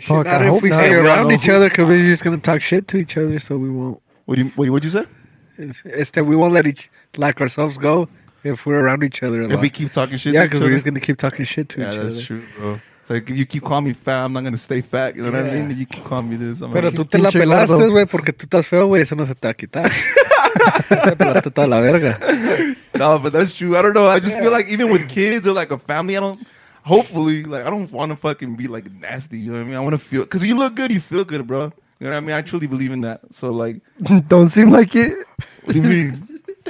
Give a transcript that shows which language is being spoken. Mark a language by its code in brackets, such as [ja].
[en] Fuck, not I hope if we not. Stay hey, around each other because we're just going to talk shit to each other, so we won't. What'd you say? It's that we won't let each like ourselves go if we're around each other a lot. If we keep talking shit to each other. Yeah, because we're just going to keep talking shit to each other. Yeah, that's true, bro. So if you keep calling me fat, I'm not going to stay fat. You know what I mean? If you keep calling me this. [es] Pero tú te la pelaste, güey, porque tú estás feo, güey. Eso no se te va a quitar. Te pelaste toda la verga. [en] No, but that's true. I don't know. I just feel like even with kids or like a family, I don't... hopefully, like, I don't want to fucking be, like, nasty, you know what I mean? I want to feel, because you look good, you feel good, bro. You know what I mean? I truly believe in that. So, like. Don't seem like it. What do you mean?